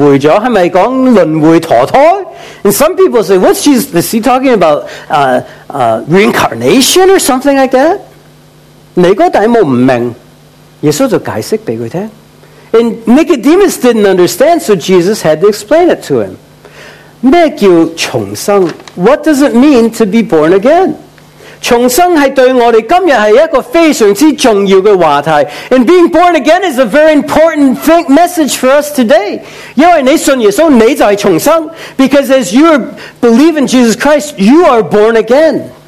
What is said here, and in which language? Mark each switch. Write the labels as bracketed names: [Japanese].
[Chinese] 有很多人会误会了，是不是说轮回陀胎？ [English] And some people say, what's Jesus, is he talking about reincarnation or something like that? [Chinese] 尼哥底母不明白，耶稣就解释给他听。 [English] And Nicodemus didn't understand, so Jesus had to explain it to him. [Chinese] 什么叫重生? [English] What does it mean to be born again? [Chinese] 重生是对我们今天是一个非常重要的话题。 [English] And being born again is a very important message for us today. [Chinese] 因为你信耶稣，你就是重生。 [English] Because as you believe in Jesus Christ, you are born again.